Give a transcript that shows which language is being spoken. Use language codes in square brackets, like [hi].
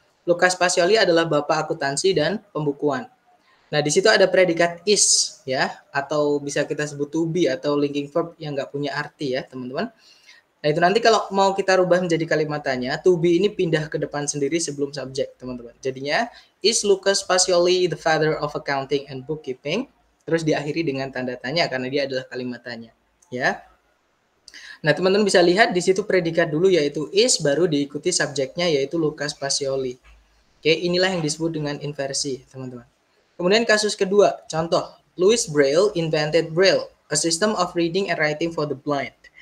[id] Lucas Pacioli adalah bapak akuntansi dan pembukuan. Nah, di situ ada predikat is, ya, atau bisa kita sebut to be atau linking verb yang nggak punya arti, ya, teman-teman. Nah, itu nanti kalau mau kita rubah menjadi kalimat tanya, to be ini pindah ke depan sendiri sebelum subjek, teman-teman. [en] Jadinya, is Lucas Pacioli the father of accounting and bookkeeping? [id] Terus diakhiri dengan tanda tanya karena dia adalah kalimat tanya, ya. Nah, teman-teman bisa lihat di situ predikat dulu yaitu is, baru diikuti subjeknya yaitu Lucas Pacioli. Oke, inilah yang disebut dengan inversi, teman-teman. Kemudian kasus kedua, contoh, [en] Louis Braille invented Braille, a system of reading and writing for the blind.